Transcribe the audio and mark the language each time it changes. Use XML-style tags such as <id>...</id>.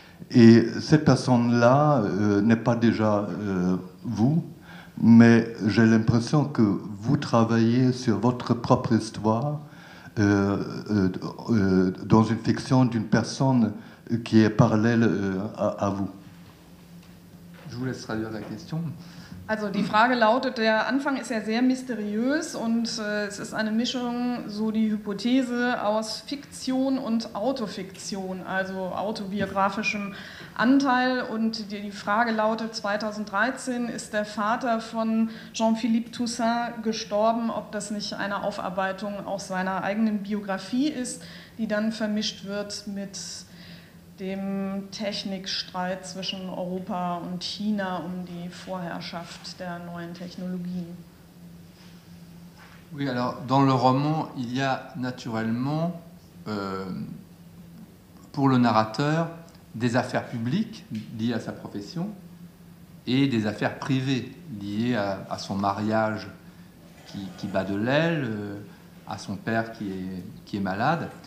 <fr>Et cette personne-là n'est pas déjà vous, mais j'ai l'impression que vous travaillez sur votre propre histoire dans une fiction d'une personne qui est parallèle à vous. Je vous laisse traduire la question.</fr> <de>Also die Frage lautet, der Anfang ist ja sehr mysteriös und es ist eine Mischung, so die Hypothese, aus Fiktion und Autofiktion, also autobiografischem Anteil. Und die Frage lautet, 2013 ist der Vater von Jean-Philippe Toussaint gestorben, ob das nicht eine Aufarbeitung aus seiner eigenen Biografie ist, die dann vermischt wird mit dem Technikstreit zwischen Europa und China um die Vorherrschaft der neuen Technologien.</de> <fr>Oui, alors dans le roman, il y a naturellement pour le narrateur des affaires publiques liées à sa profession et des affaires privées liées à son mariage qui bat de l'aile, à son père qui est malade.</fr>